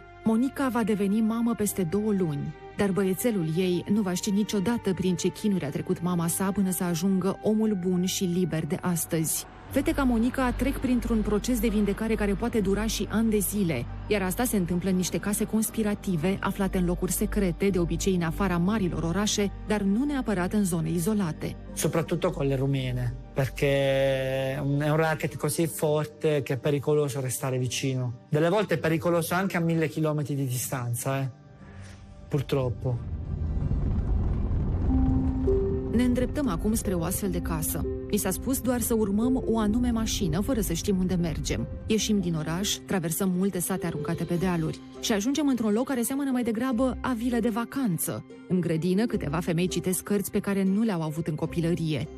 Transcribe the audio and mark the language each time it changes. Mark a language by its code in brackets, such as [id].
[ro] Monica va deveni mamă peste 2 luni. Dar băiețelul ei nu va ști niciodată prin ce chinuri a trecut mama sa până să ajungă omul bun și liber de astăzi. Fete ca Monica trec printr-un proces de vindecare care poate dura și ani de zile, iar asta se întâmplă în niște case conspirative, aflate în locuri secrete, de obicei în afara marilor orașe, dar nu neapărat în zone izolate. [it] Soprattutto con le rumene, perché è un racket così forte che è pericoloso restare vicino. Delle volte è pericoloso anche a 1000 chilometri di distanza, Purtroppo. [ro] Ne îndreptăm acum spre o astfel de casă. Mi s-a spus doar să urmăm o anume mașină, fără să știm unde mergem. Ieșim din oraș, traversăm multe sate aruncate pe dealuri și ajungem într-un loc care seamănă mai degrabă a vilă de vacanță. În grădină, câteva femei citesc cărți pe care nu le-au avut în copilărie.